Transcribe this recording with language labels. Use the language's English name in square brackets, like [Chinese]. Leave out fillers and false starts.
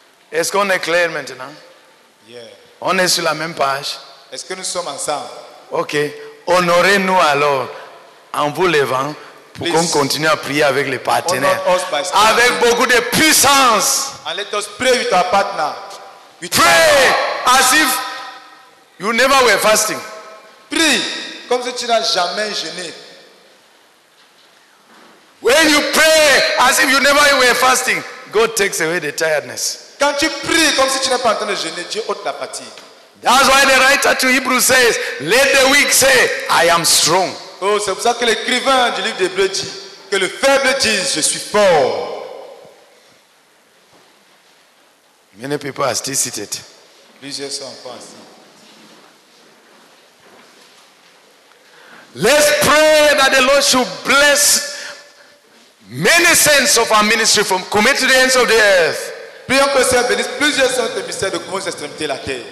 [French] Est-ce qu'on est clair maintenant? Yeah. On est sur la même page. Est-ce que nous sommes ensemble? Ok. Honorez-nous alors en vous levant pour qu'on continue à prier avec les partenaires. [English] Honor us by standing. [French] Avec beaucoup de puissance. [English] And let us pray with our partner. With pray our as if you never were fasting. [French] Prie comme si tu n'as jamais jeûné. [English] When you pray as if you never were fasting, God takes away the tiredness. [French] Quand tu pries comme si tu n'es pas en train de jeûner, Dieu ôte la fatigue. [English] That's why the writer to Hebrews says, let the weak say, I am strong. [French] Oh, c'est pour ça que l'écrivain du livre d'Hébreux dit que le faible dise, je suis fort. [English] Many people are still seated. [French] Plusieurs sont encore assis. [English] Let's pray that the Lord should bless many saints of our ministry from Kumé to the ends of the earth. [French] Prions que le Seigneur bénisse plusieurs saints de ministère de commun extrémité de la terre.